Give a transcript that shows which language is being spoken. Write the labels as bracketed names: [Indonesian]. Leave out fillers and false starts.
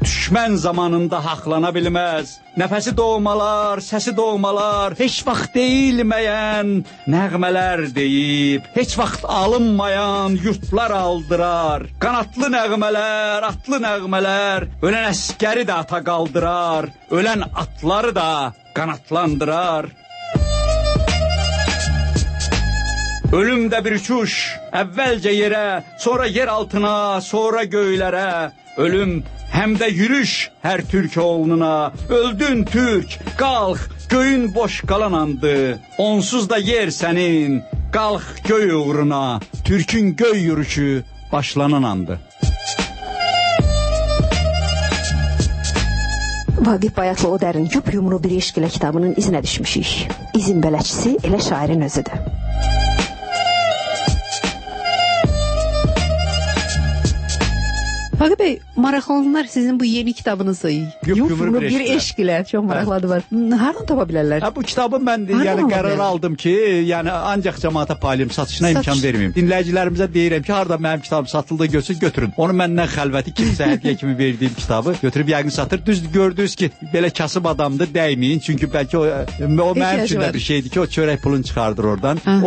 [Azerbaijani] Düşmən zamanında haqlana bilməz, nəfəsi doğmalar, səsi doğmalar, heç vaxt deyilməyən nəğmələr deyib, heç vaxt alınmayan yurtlar aldırar. Qanatlı nəğmələr, atlı nəğmələr, ölən əskəri də ata qaldırar, ölən atları da qanatlandırar. [Turkish] Ölüm de bir uçuş, evvelce yere, sonra yer altına, sonra göylere. Ölüm hem de yürüş her Türk oğluna. Öldün Türk, kalk, göğün boş kalan andı. Onsuz da yer senin, kalk göy uğruna. Türk'ün göy yürüyüşü başlanan andı. [Azerbaijani] Vaqif Bayatlı O Dərin Yüp Yumru Bir İşgilə kitabının izinə düşmüşük. İzin bələdçisi elə şairin özüdür. Vaqif Bey, maraqlanırlar sizin bu yeni kitabınızı. Yüp Yumru Bir İşgilə. Çox maraqladı var. Haradan tapa bilərlər? Bu kitabı mən yəni qərar aldım ki, yəni ancaq cəmaata paylayım, satışına imkan vermeyeyim. Dinləyicilərimizə deyirəm ki, harada mənim kitabım satıldı görsün, götürün. Onu məndən xəlvəti kimsə hədiyyə kimi verdiyim kitabı götürüb yəqin satır. Düz gördünüz ki, belə kasıb adamdır, dəyməyin. Çünki bəlkə o mənim üçün də bir şeydir ki, o çörək pulunu çıxardır oradan. Aha.